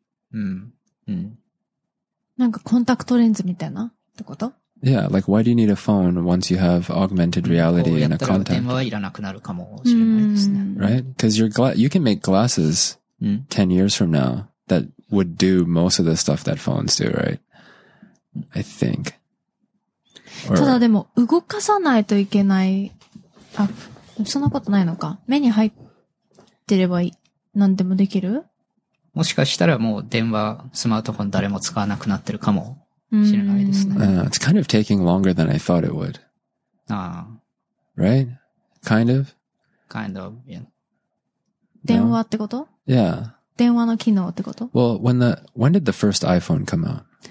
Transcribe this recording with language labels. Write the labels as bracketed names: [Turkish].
[Japanese] なんかコンタクトレンズみたいなってこと? [English] Yeah, like why do you need a phone once you have augmented reality and a contact? [Japanese] こうやったら電話はいらなくなるかもしれないですね。 [English] Right? Because you can make glasses 10 years from now. That would do most of the stuff that phones do, right? I think. [Japanese] ただでも動かさないといけない。あ、そんなことないのか。目に入ってればいい。何でもできる? もしかしたらもう電話、スマートフォン誰も使わなくなってるかもしれないですね。 [English] It's kind of taking longer than I thought it would. Right? Kind of? Kind of, yeah. [Japanese] 電話ってこと? [English] Yeah. [Japanese] 電話の機能ってこと? [English] Well, when did the first iPhone come out?